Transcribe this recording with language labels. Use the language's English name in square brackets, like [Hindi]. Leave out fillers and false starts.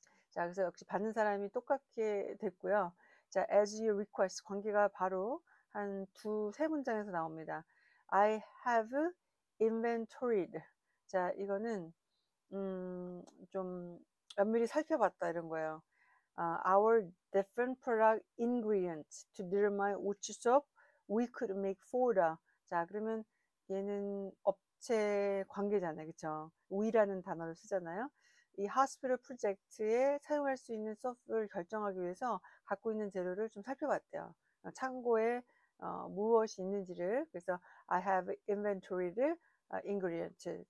[Korean] 자, 그래서 역시 받는 사람이 똑같게 됐고요. 자, as you request 관계가 바로 한 세 문장에서 나옵니다. [English] I have inventoried. [Korean] 자, 이거는 좀 엄밀히 살펴봤다 이런 거예요. [English] Our different product ingredients to determine which soap we could make for the. [Korean] 자, 그러면 얘는 업체 관계잖아요. 그쵸? We라는 단어를 쓰잖아요. 이 hospital project에 사용할 수 있는 soap을 결정하기 위해서 갖고 있는 재료를 좀 살펴봤대요. 창고에 무엇이 있는지를. [English] 그래서 I have inventory ingredients.